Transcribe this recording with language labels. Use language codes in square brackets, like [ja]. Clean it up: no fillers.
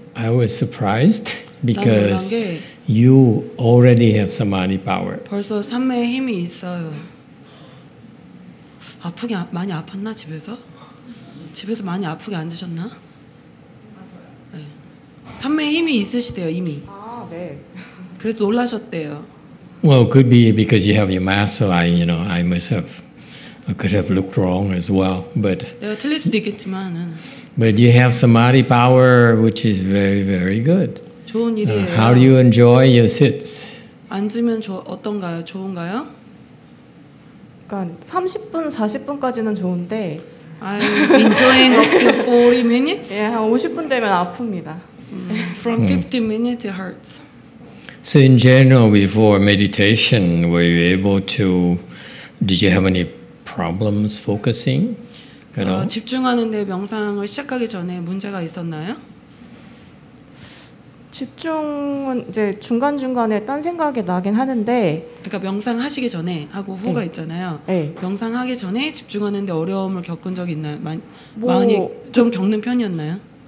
[en] I was surprised because you already have samadhi power. [ko] 벌써 삼매의 힘이 있어요. 아프게 많이 아팠나 집에서? 집에서 많이 아프게 앉으셨나? 네. 삼매의 힘이 있으시대요 이미. 아 네. 그래서 놀라셨대요. [en] Well, could be because you have your mask, so I myself. I could have looked wrong as well, but. [ko] 내가 틀릴 수도 있겠지만은. [en] But you have samadhi power, which is very, very good. [ko] 좋은 일이에요. [en] How do you enjoy your sits? [ko] 앉으면 어떤가요? 좋은가요? 그러니까 30분, 40분까지는 좋은데. [en] I'm enjoying up to 40 minutes. [ko] 예, 한 50분 되면 아픕니다. [en] From 50 minutes, it hurts. So in general, before meditation, were you able to? Did you have any? Problems focusing. [ko] 집중하는데 명상을 시작하기 전에 문제가 있었나요? 집중은 이제 중간 중간에 딴 생각이 나긴 하는데. 그러니까 명상하시기 전에 하고 후가 네. 있잖아요. 네. 명상하기 전에 집중하는데 어려움을 겪은 적 있나요? 많이 좀 겪는 편이었나요?